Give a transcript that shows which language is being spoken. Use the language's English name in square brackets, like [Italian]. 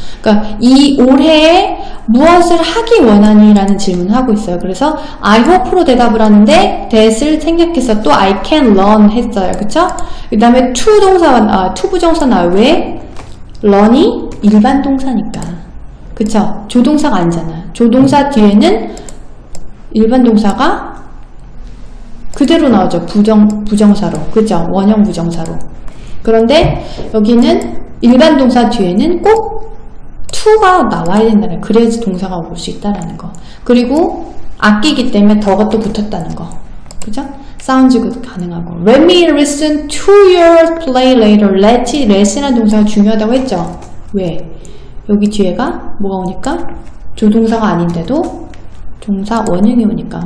[Korean] 그러니까 이 올해에 무엇을 하기 원하니 라는 질문을 하고 있어요 그래서 I hope로 대답을 하는데 that을 생략해서 또 [English] I can learn [Korean] 했어요 그쵸 그 다음에 to 부정사 나와요 왜 learn이 일반 동사니까 그쵸 조동사가 아니잖아 조동사 뒤에는 일반 동사가 그대로 나오죠. 부정사로. 그죠? 원형 부정사로. 그런데 여기는 일반 동사 뒤에는 꼭 to가 나와야 된다는 그래야지 동사가 올 수 있다라는 거. 그리고 악기이기 때문에 더가 또 붙었다는 거. 그죠? 사운드가 가능하고. [English] Let me listen to your play later. [Korean] Let이라는 동사가 중요하다고 했죠? 왜? 여기 뒤에가 뭐가 오니까? 조동사가 아닌데도 동사 원형이 오니까.